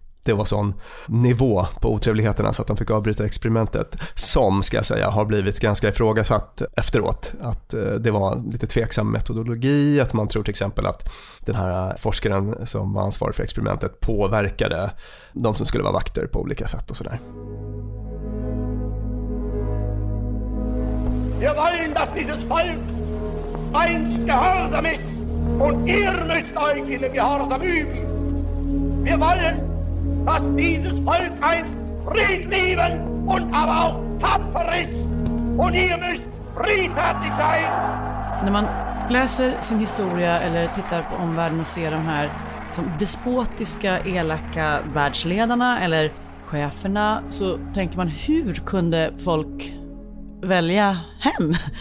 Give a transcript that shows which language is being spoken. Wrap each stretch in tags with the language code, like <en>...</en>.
<sv>Det var sån nivå på otrevligheterna så att de fick avbryta experimentet, som ska jag säga har blivit ganska ifrågasatt efteråt, att det var lite tveksam metodologi, att man tror till exempel att den här forskaren som var ansvarig för experimentet påverkade de som skulle vara vakter på olika sätt och sådär. Vi vill att</sv> <de>dieses folk einst gehorsam ist und ihr müsst euch in dem gehorsam üben. Wir wollen dass dieses Volk einst friedliebend und aber auch tapfer ist. Und ihr müsst friedfertig sein.</de> <sv>När man läser sin historia eller tittar på omvärlden och ser de här som despotiska, elaka världsledarna eller cheferna, så tänker man, hur kunde folk välja hen?</sv>